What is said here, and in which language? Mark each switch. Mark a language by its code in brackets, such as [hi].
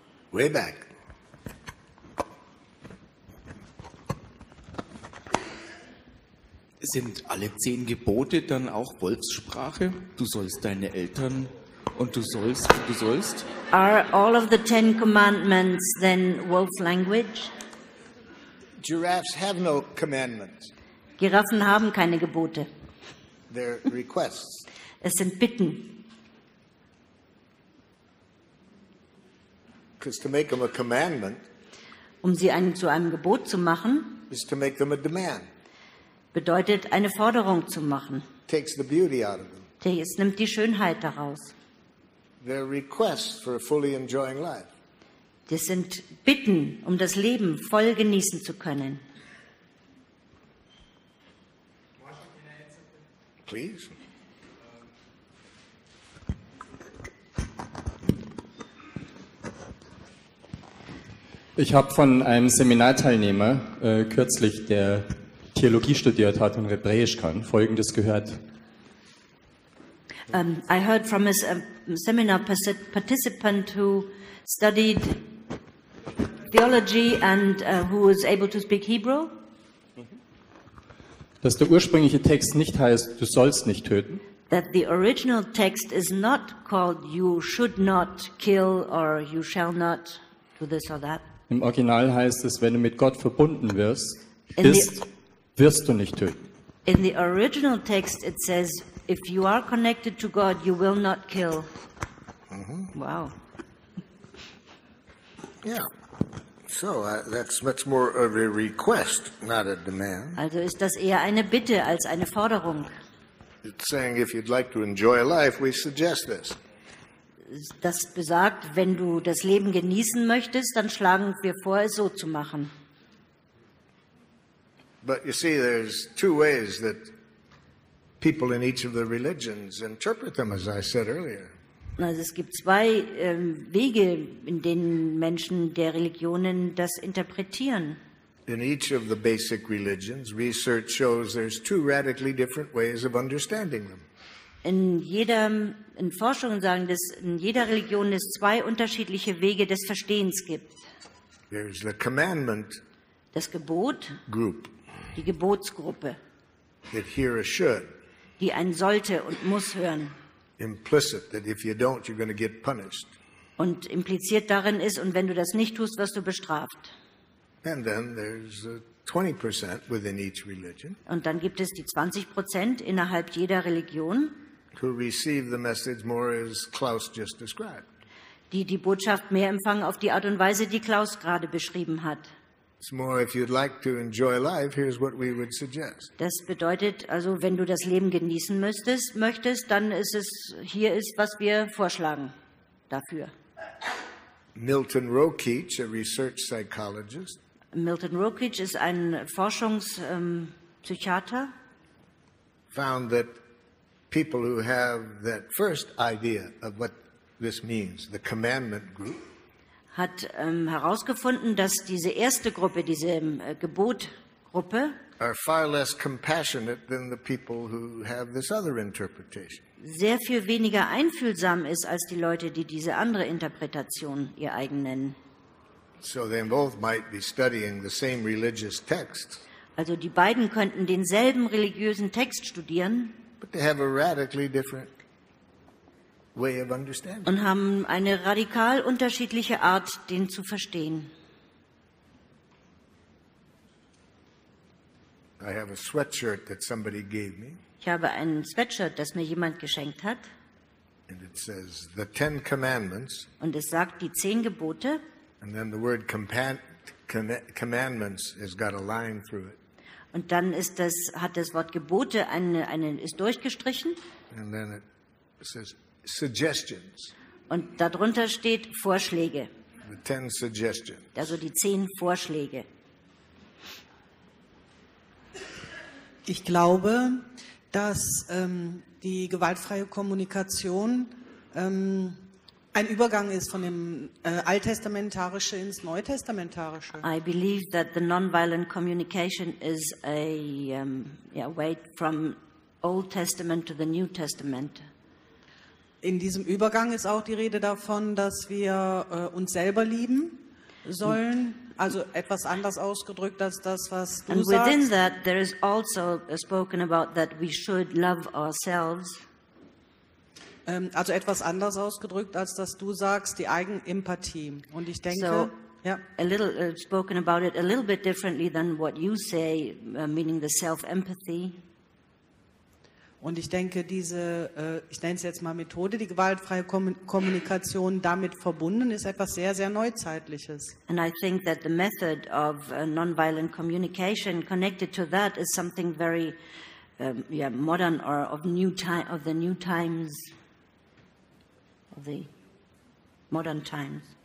[en] Way back. [de] Sind alle 10 Gebote dann auch Wolfssprache? Du sollst deine Eltern und du sollst und du sollst? [en] Are all of the 10 commandments then wolf language? Giraffes have no commandments. [de] Giraffen haben keine Gebote. [en] They're requests. [de] Es sind Bitten. [en] Because to make them a commandment, [de] um sie zu einem Gebot zu machen, [en] is to make them a demand. [de] Bedeutet, eine Forderung zu machen. [en] Takes the beauty out of them. [de] Es nimmt die Schönheit daraus. [en] They're requests for a fully enjoying life. [de] Das sind Bitten, um das Leben voll genießen zu können. [en] Please. [de] Ich habe von einem Seminarteilnehmer kürzlich, der Theologie studiert hat und Hebräisch kann, Folgendes gehört. [en] I heard from a seminar participant who studied Theology and who is able to speak Hebrew? [de] Dass der ursprüngliche Text nicht heißt, du sollst nicht töten. [en] That the original text is not called you should not kill or you shall not do this or that. [de] Im Original heißt es, wenn du mit Gott verbunden wirst, wirst du nicht töten. [en] In the original text it says, if you are connected to God, you will not kill. Mm-hmm. Wow. Yeah. So that's much more of a request, not a demand. [de] Also ist das eher eine Bitte als eine Forderung. [en] It's saying if you'd like to enjoy life, we suggest this. [de] Das besagt, wenn du das Leben genießen möchtest, dann schlagen wir vor, es so zu machen. [en] But you see, there's two ways that people in each of the religions interpret them, as I said earlier. [de] Also es gibt zwei Wege, in denen Menschen der Religionen das interpretieren. [en] In each of the basic religions, research shows there's two radically different ways of understanding them. [de] In Forschungen sagen, dass in jeder Religion es zwei unterschiedliche Wege des Verstehens gibt. [en] There's the commandment. [de] Das Gebot. [en] Group. [de] Die Gebotsgruppe. [en] That hear or should. [de] Die ein sollte und muss hören. [en] Implicit that if you don't, you're going to get punished. [de] Und impliziert darin ist, und wenn du das nicht tust, wirst du bestraft. [en] And then there's 20% within each religion. [de] Und dann gibt es die 20% innerhalb jeder Religion. [en] Who receive the message more as Klaus just described. [de] Die Botschaft mehr empfangen auf die Art und Weise, die Klaus gerade beschrieben hat. [en] It's more if you'd like to enjoy life, here's what we would suggest. [de] Das bedeutet also, wenn du das Leben genießen möchtest, dann ist es hier ist, was wir vorschlagen dafür. [en] Milton Rokic, a research psychologist. [de] Milton Rokic ist ein Forschungspsychiater. [en] Found that people who have that first idea of what this means, the commandment group, [de] hat herausgefunden, dass diese erste Gruppe, diese Gebot Gruppe [en] are far less compassionate than the people who have this other interpretation. [de] Sehr viel weniger einfühlsam ist als die Leute, die diese andere Interpretation ihr eigen nennen. [en] So they both might be studying the same religious text. [de] Also die beiden könnten denselben religiösen Text studieren. [en] But they have a radically different way of understanding. [de] Und haben eine radikal unterschiedliche Art, den zu verstehen. [en] I have a sweatshirt that somebody gave me. [de] Ich habe ein Sweatshirt, das mir jemand geschenkt hat. [en] And it says the Ten Commandments. [de] Und es sagt die Zehn Gebote. [en] And then the word commandments has got a line through it. [de] Und dann ist das, hat das Wort Gebote ist durchgestrichen. [en] And then it says suggestions. [de] Und darunter steht Vorschläge. [en] The Ten Suggestions. [de] Also die zehn Vorschläge. Ich glaube, dass die gewaltfreie Kommunikation ein Übergang ist von dem alttestamentarische ins neutestamentarische. [en] I believe that the non-violent communication is a way from Old Testament to the New Testament. [de] In diesem Übergang ist auch die Rede davon, dass wir uns selber lieben sollen. Also etwas anders ausgedrückt als das, was du [en] and [de] sagst. [en] Within that there is also spoken about that we should love ourselves. [de] Also etwas anders ausgedrückt als das, du sagst, die Eigenempathie. Und ich denke, so, ja. [en] A little spoken about it a little bit differently than what you say, meaning the self-empathy. [de] Und ich denke, diese, ich nenne es jetzt mal Methode, die gewaltfreie Kommunikation damit verbunden, ist etwas sehr, sehr Neuzeitliches. [en] And I think that the method of non-violent communication connected to that is something very modern or of the modern times.